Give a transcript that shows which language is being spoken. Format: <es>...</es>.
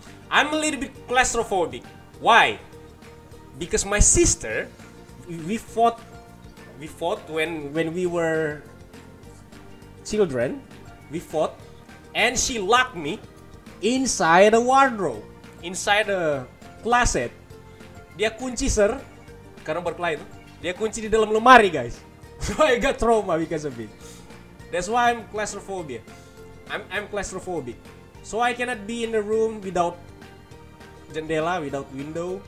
<en>I'm a little bit claustrophobic. Why? Because my sister we fought when we were children. We fought and she locked me inside a wardrobe, inside a closet.</en> <id>Dia kunci, sir, karena berkelahi tuh. Dia kunci di dalam lemari, guys.</id> <en>So I got trauma because of it. That's why I'm claustrophobic. I'm claustrophobic. So I cannot be in the room without jendela, without window.</en>